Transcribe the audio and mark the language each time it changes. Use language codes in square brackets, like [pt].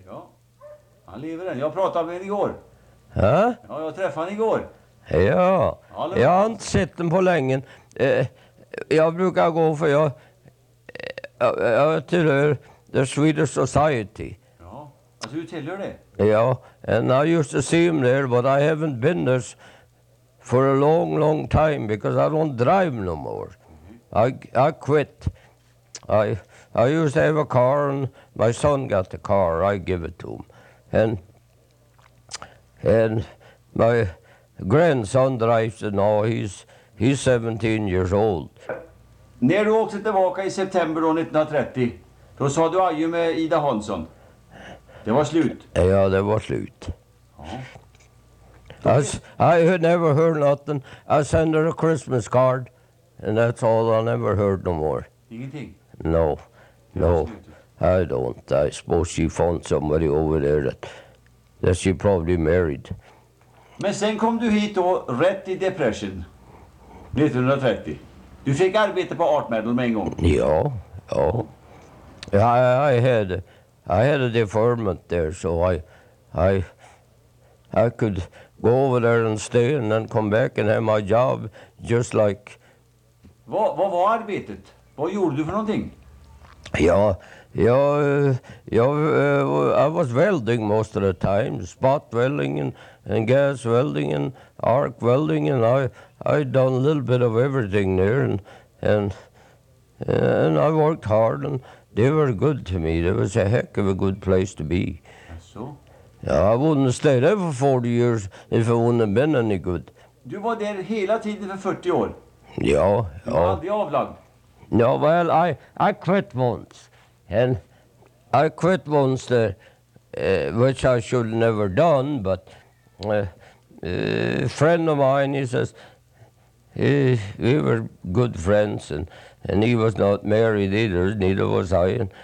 [sv] Ja, han lever än. Jag pratade med honom igår. Hä? Ja, jag träffade honom igår. Ja, jag har inte sett honom på länge. Jag brukar gå för jag tillhör The Swedish Society. Ja, alltså du tillhör det? [en] Ja, and I used to see him there, but I haven't been there for a long, long time because I don't drive no more. Mm-hmm. I quit. I used to have a car and my son got the car. I give it to him. And my grandson drives it now. He's 17 years old. [sv] När du åkte tillbaka i september 1930, då sa du adjö med Ida Hansson. Det var slut. Ja, det var slut. [en] I never heard nothing. I send her a Christmas card and that's all. I never heard no more. [sv] Ingenting? [en] No, I don't. I suppose she found somebody over there that she probably married. [sv] Men sen kom du hit då, rätt i depression, 1930. Du fick arbete på Art Medal med en gång. Ja. [en] I had a deferment there, so I could go over there and stay and then come back and have my job just like... [sv] Vad var arbetet? Vad gjorde du för någonting? [en] Ja, I was welding most of the time, spot welding and gas welding and arc welding, and I done a little bit of everything there, and I worked hard, and they were good to me. It was a heck of a good place to be. So? Ja, I wouldn't have stayed there for 40 years if it wouldn't have been any good. [sv] Du var där hela tiden för 40 år? Ja, ja. Du var aldrig avlagd? [en] Ja, well, I quit once. And I quit once there, which I should have never done, but a friend of mine, he says, we were good friends, and he was not married either, neither was I.